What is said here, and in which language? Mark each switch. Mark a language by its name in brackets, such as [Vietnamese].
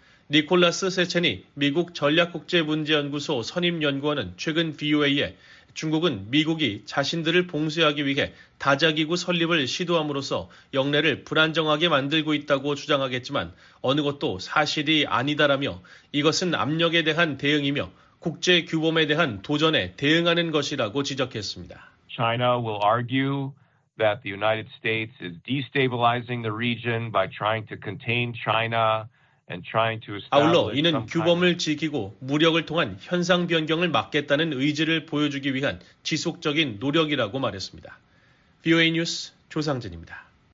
[Korean] 니콜라스 세체니 미국 전략국제문제연구소 선임연구원은 최근 VOA에 중국은 미국이 자신들을 봉쇄하기 위해 다자기구 설립을 시도함으로써 영내를 불안정하게 만들고 있다고 주장하겠지만 어느 것도 사실이 아니다라며 이것은 압력에 대한 대응이며 국제 규범에 대한 도전에 대응하는 것이라고 지적했습니다. [English] China will argue that the United States is destabilizing the region by trying to contain China. [Korean] 아울러 이는 규범을 지키고 무력을 통한 현상 변경을 막겠다는 의지를 보여주기 위한 지속적인 노력이라고 말했습니다. VOA 뉴스 조상진입니다.